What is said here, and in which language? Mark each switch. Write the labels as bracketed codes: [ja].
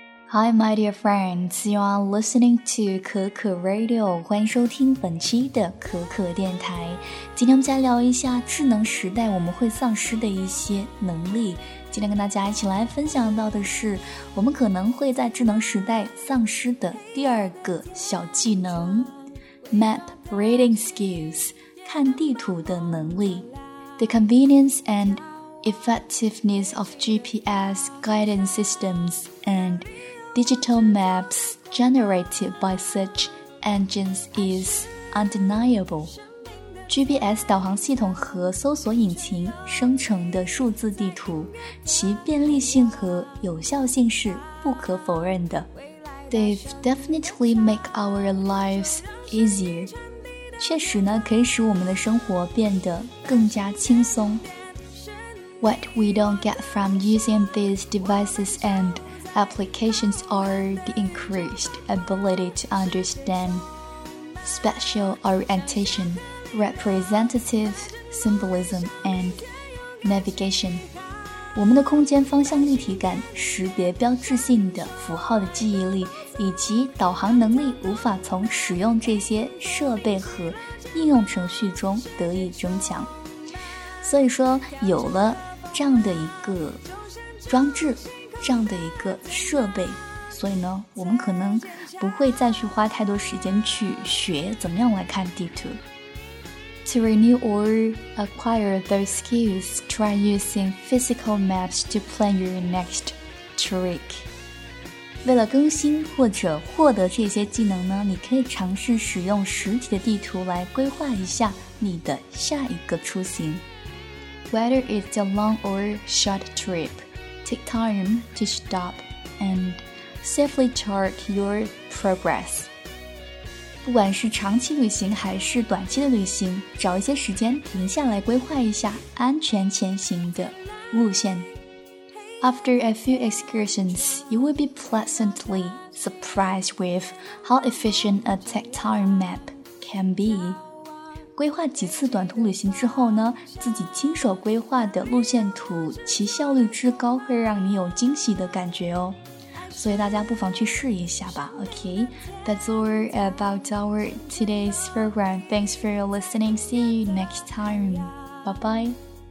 [en] Hi, my dear friends, you are listening to 可可 Radio. [zh] 欢迎收听本期的可可电台。今天我们再聊一下智能时代我们会丧失的一些能力。今天跟大家一起来分享到的是我们可能会在智能时代丧失的第二个小技能 [en] Map Reading Skills, [zh] 看地图的能力。 [en] The convenience and effectiveness of GPS guidance systems andDigital maps generated by search engines is undeniable. [zh] GPS 导航系统和搜索引擎生成的数字地图，其便利性和有效性是不可否认的。 [en] They've definitely make our lives easier. [zh] 确实呢，可以使我们的生活变得更加轻松。 [en] What we don't get from using these devices andApplications are the increased ability to understand spatial orientation, representative symbolism, and navigation. [zh] 我们的空间方向立体感、识别标志性的符号的记忆力以及导航能力无法从使用这些设备和应用程序中得以增强。所以说，有了这样的一个装置，这样的一个设备，所以呢，我们可能不会再去花太多时间去学怎么样来看地图。 [en] To renew or acquire those skills, try using physical maps to plan your next trip. [zh] 为了更新或者获得这些技能呢，你可以尝试使用实体的地图来规划一下你的下一个出行。 [en] Whether it's a long or short trip,Take time to stop and safely chart your progress. [zh] 不管是长期旅行还是短期的旅行，找一些时间停下来规划一下安全前行的路线。 [en] After a few excursions, you will be pleasantly surprised with how efficient a take time map can be. [zh] 规划几次短途旅行之后呢，自己亲手规划的路线图，其效率之高会让你有惊喜的感觉哦。所以大家不妨去试一下吧。 [en] Okay, that's all about our today's program. Thanks for your listening. See you next time. Bye bye.